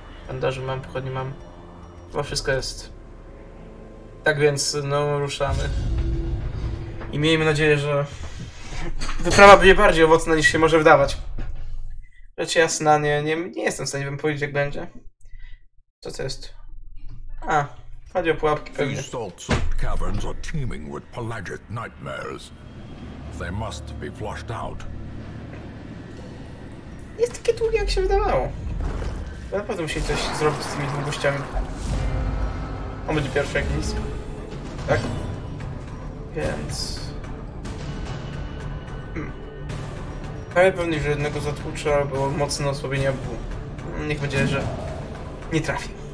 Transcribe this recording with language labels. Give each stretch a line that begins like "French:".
Polish: Bandaże mam, pochodnie mam. Chyba wszystko jest. Tak więc, no, ruszamy. I miejmy nadzieję, że Wyprawa będzie bardziej owocna niż się może wydawać. Rzecz jasna, nie jestem w stanie wam powiedzieć, jak będzie. Co to jest? A, chodzi o pułapki pewnie.
English: These sorts of caverns are teeming with pelagic nightmares. They must be flushed out.
Polish: Jest takie długie, jak się wydawało. Na pewno musieli coś zrobić z tymi długościami. On będzie pierwszy jak nic. Tak? Więc... Prawie pewnie, że jednego zatłuczę, albo mocne osłabienie, bo niech będzie, że nie trafi.